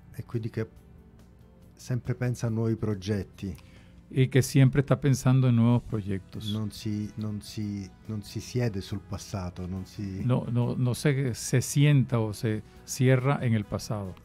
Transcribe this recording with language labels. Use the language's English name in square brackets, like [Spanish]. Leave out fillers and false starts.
[Italian] E quindi che sempre pensa a nuovi progetti. [Spanish] Y que siempre está pensando en nuevos proyectos. [Italian] Non si siede sul passato, non si. [Spanish] No se sienta o se cierra en el pasado.